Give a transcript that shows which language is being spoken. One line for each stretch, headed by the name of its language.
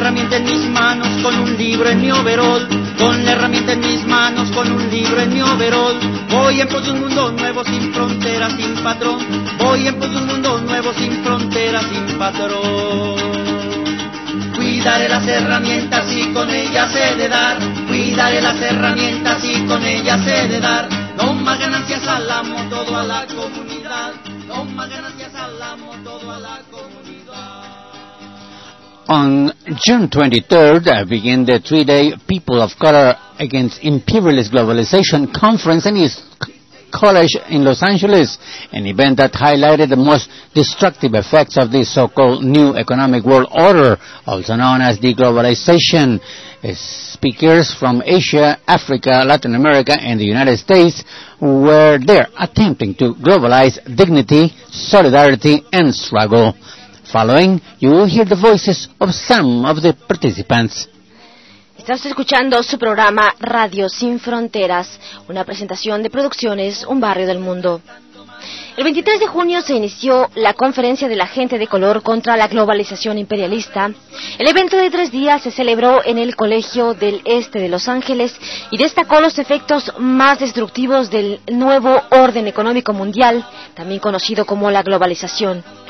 Spanish: En mis manos con un libro en mi overol, con la herramienta en mis manos con un libro en mi overol, voy en pos de un mundo nuevo sin fronteras, sin patrón, voy en pos de un mundo nuevo sin fronteras, sin patrón. Cuidaré las herramientas y con ellas he de dar, cuidaré las herramientas y con ellas he de dar, no más ganancias al amo, todo a la comunidad, no más ganancias al amo, todo a la comunidad.
English: On June 23rd, began the three-day People of Color Against Imperialist Globalization Conference in East College in Los Angeles, an event that highlighted the most destructive effects of the so-called New Economic World Order, also known as deglobalization. Speakers from Asia, Africa, Latin America, and the United States were there attempting to globalize dignity, solidarity, and struggle. Following, you will hear the voices of some of the participants.
Spanish: Estás escuchando su programa Radio Sin Fronteras, una presentación de Producciones Un Barrio del Mundo. El 23 de junio se inició la Conferencia de la Gente de Color contra la Globalización Imperialista. El evento de tres días se celebró en el Colegio del Este de Los Ángeles y destacó los efectos más destructivos del nuevo orden económico mundial, también conocido como la globalización.